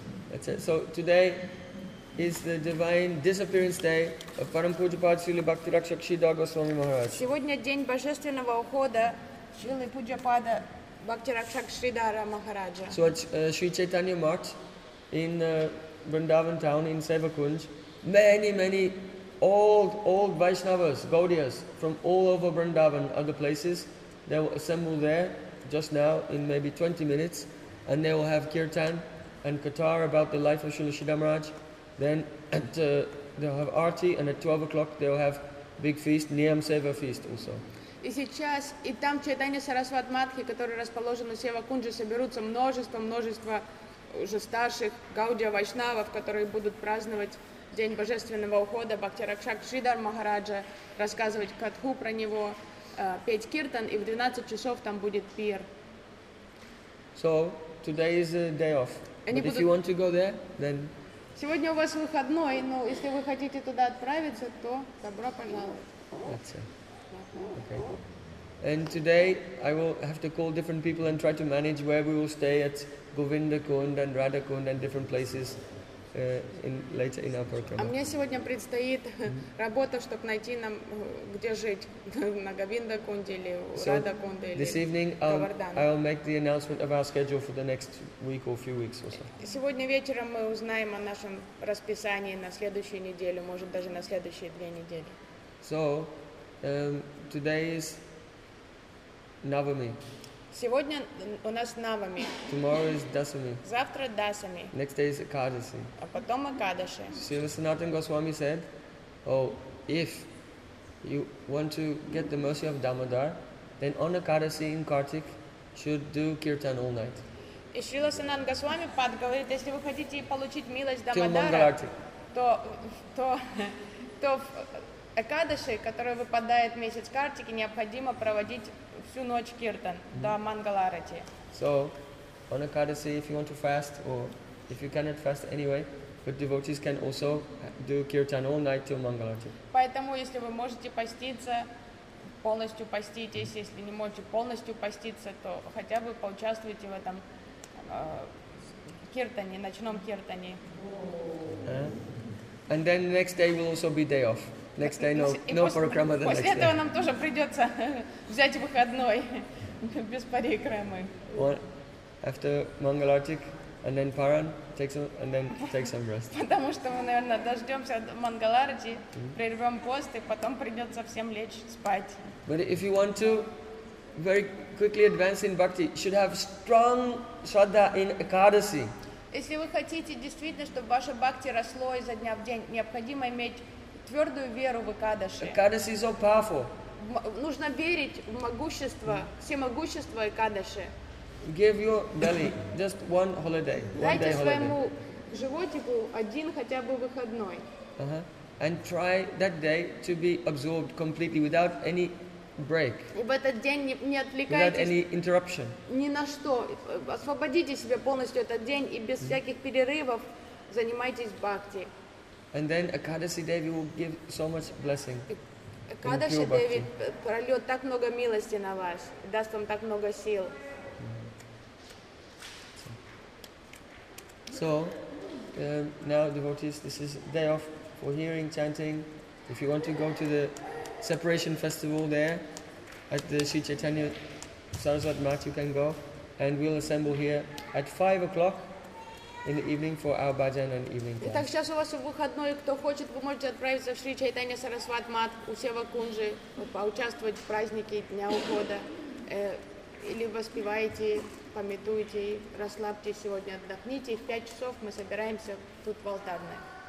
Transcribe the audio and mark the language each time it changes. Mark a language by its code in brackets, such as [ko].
[en] That's it. So today is the divine disappearance day of Param Pujapad Srila Bhaktirakshak Shridhar Goswami Maharaj. [ru] Сегодня день божественного ухода Шрилы Пуджапада Бхактиракшак Шридхара Махараджа. [en] So at Sri Chaitanya Mart in Vrindavan town in Sevakunj, many, many old Vaishnavas, Gaudiyas from all over Vrindavan, other places, they will assemble there just now in maybe 20 minutes, and they will have kirtan and katar about the life of Srila Shridhar Maharaj. Then at, they'll have aarti, and at 12 o'clock they'll have big feast, Niyam Seva feast also. [ru] И сейчас, и там Чайтанья Сарасват Матхи, который расположен у Севакунджи, соберутся множество уже старших гаудия вайшнавов, которые будут праздновать День Божественного Ухода, Бхактиракшак Шридхар Махараджа, рассказывать катху про него, петь киртан, и в 12 часов там будет пир. [en] So, today is a day off. But if you want to go there, then... [ru] Сегодня у вас выходной, но если вы хотите туда отправиться, то добро пожаловать. [en] That's it. Okay. And today I will have to call different people and try to manage where we will stay at Govinda Kund and Radha Kund and different places later in our program. [ru] А мне сегодня предстоит работа, чтобы найти нам где жить на Говинда Кунде или Радха Кунде или. [en] This evening I'll make the announcement of our schedule for the next week or few weeks or so. [ru] Сегодня вечером мы узнаем о нашем расписании на следующую неделю, может даже на следующие две недели. [en] So today is Navami. [ru] Сегодня у нас Навами. [en] Tomorrow is Dasami. [ru] Завтра Дасами. [en] Next day is Экадаси. [ru] А потом Экадаши. [en] Srila Sanatana Goswami said, if you want to get the mercy of Damodar, then on Экадаси in Kartik should do kirtan all night. [ru] И Srila Sanatana Goswami Pad говорит, если вы хотите получить милость Дамодара, то в Экадаши, которая выпадает месяц Картики, необходимо проводить всю ночь киртан до Мангаларати. [en] So, on Akadasi, if you want to fast, or if you cannot fast anyway, but devotees can also do kirtan all night till Mangalarati. [ru] Поэтому, если вы можете поститься, полностью поститесь, если не можете полностью поститься, то хотя бы поучаствуйте в этом киртане, ночном киртане. [en] And then the next day will also be day off. Next day, no program the next day. [ru] После этого нам тоже придется взять выходной без парикрамы. [en] After Mangal Artik, and then Paran, take some rest. [ru] Потому что мы, наверное, дождемся Mangal Arti, прервем пост, и потом придется всем лечь спать. [en] But if you want to very quickly advance in bhakti, you should have strong shraddha in Ekadasi. [ru] Если вы хотите действительно, чтобы ваше бхакти росло изо дня в день, необходимо иметь твердую веру в Экадаши. [en] Экадаси so powerful. [ru] Нужно верить в могущество, всемогущество Экадаши. [en] Give your belly just one holiday, one [ru] Дайте [en] day holiday. [ru] Своему животику один хотя бы выходной. [en] And try that day to be absorbed completely without any break. [ru] И в этот день не отвлекайтесь. [en] Without any interruption. [ru] Ни на что. Освободите себя полностью этот день и без всяких перерывов занимайтесь бхакти. [en] And then Ekadasi Devi will give so much blessing. [ru] Ekadasi Devi прольет так много милости на вас, даст вам так много сил. [en] So, now devotees, this is day off for hearing, chanting. If you want to go to the separation festival there at the Sri Chaitanya Saraswat Mart, you can go. And we'll assemble here at 5 o'clock in the evening for our bhajan and evening class. [ru] Итак, сейчас у вас выходной, кто хочет, вы можете отправиться в Шри Чайтанья Сарасват Мат у Сева Кунжи, поучаствовать в празднике Дня Ухода, или воспеваете, памятуете, расслабьте сегодня, отдохните, и в 5 часов мы собираемся тут в алтарной.